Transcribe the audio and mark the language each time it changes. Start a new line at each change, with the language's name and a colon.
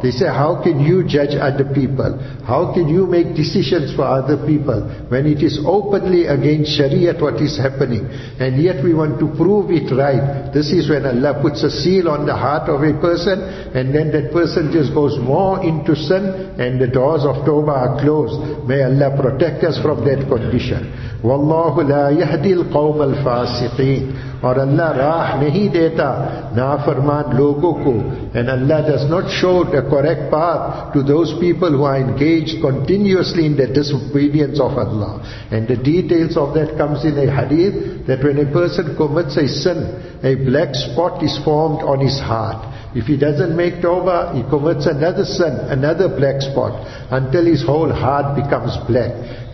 English: They say, how can you judge other people? How can you make decisions for other people when it is openly against Sharia what is happening? And yet we want to prove it right. This is when Allah puts a seal on the heart of a person, and then that person just goes more into sin, and the doors of tawbah are closed. May Allah protect us from that condition.
Arabic: وَاللَّهُ لَا يَهْدِي الْقَوْمَ الْفَاسِقِينَ
Urdu: اور اللہ راہ نہیں دیتا نافرمان لوگوں کو.
English: And Allah does not show the correct path to those people who are engaged continuously in the disobedience of Allah. And the details of that comes in a hadith, that when a person commits a sin, a black spot is formed on his heart. If he doesn't make tawbah, he commits another sin, another black spot, until his whole heart becomes black.